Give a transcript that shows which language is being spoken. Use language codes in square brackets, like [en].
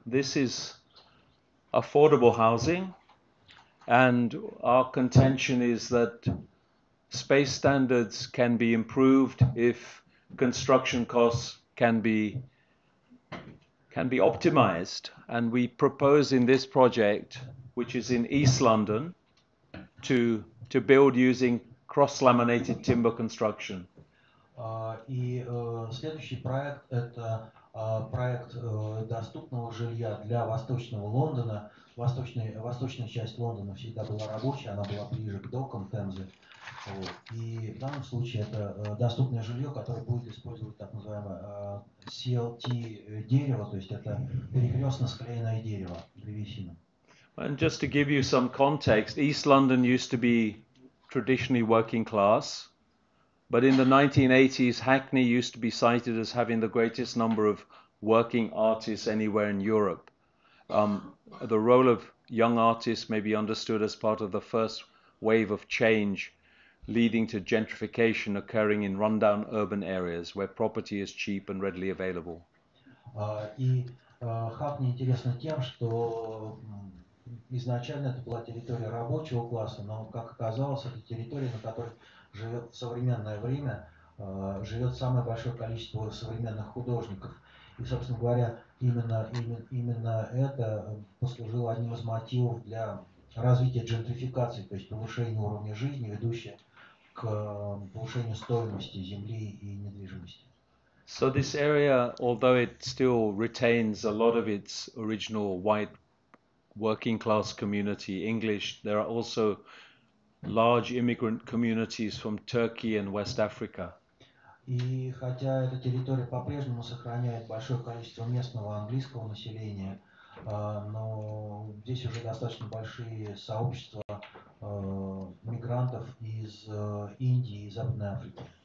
[en] This is affordable housing, and our contention is that space standards can be improved if construction costs can be optimized. And we propose in this project, which is in East London, to build using cross-laminated timber construction. [ru] И следующий проект — это проект доступного жилья для восточного Лондона. Восточная часть Лондона всегда была рабочая, она была ближе к докам Темзы. Вот. И в данном случае это доступное жилье, которое будет использовать так называемое CLT-дерево, то есть это перекрестно склеенное дерево, древесина. [en] And just to give you some context, East London used to be traditionally working class, but in the 1980s, Hackney used to be cited as having the greatest number of working artists anywhere in Europe. The role of young artists may be understood as part of the first wave of change leading to gentrification occurring in rundown urban areas where property is cheap and readily available. [ru] Хакни интересна тем, что изначально это была территория рабочего класса, но, как оказалось, это территория, на которой живет в современное время, живет самое большое количество современных художников. И, собственно говоря, именно это послужило одним из мотивов для развития джентрификации, то есть повышения уровня жизни, ведущее к повышению стоимости земли и недвижимости. [en] So this area, although it still retains a lot of its original white working class community, English, there are also large immigrant communities from Turkey and West Africa. [ru] И хотя эта территория по-прежнему сохраняет большое количество местного английского населения, но здесь уже достаточно большие сообщества мигрантов из Индии и Западной Африки.